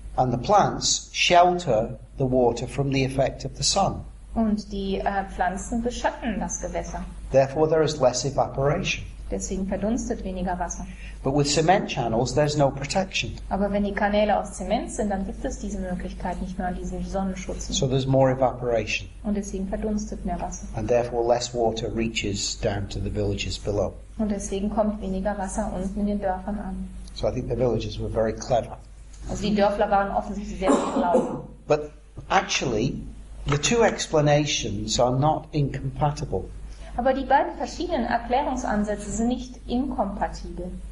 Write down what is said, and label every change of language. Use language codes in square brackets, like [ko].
[en] And the plants shelter the water from the effect of the sun. [de] Und die Pflanzen beschatten das Gewässer. [en] Therefore there is less evaporation. [de] Deswegen verdunstet weniger Wasser. [en] But with cement channels, there's no protection. [de] Aber wenn die Kanäle aus Zement sind, dann gibt es diese Möglichkeit nicht mehr, diesen Sonnenschutz. [en] So there's more evaporation. [de] Und deswegen verdunstet mehr Wasser. [en] And therefore less water reaches down to the villages below. [de] Und deswegen kommt weniger Wasser unten in den Dörfern an. [en] So I think the villagers were very clever. [de] Also die Dörfler waren offensichtlich sehr schlau. [en] But actually, the two explanations are not incompatible. [de] Aber die beiden verschiedenen Erklärungsansätze sind nicht inkompatibel.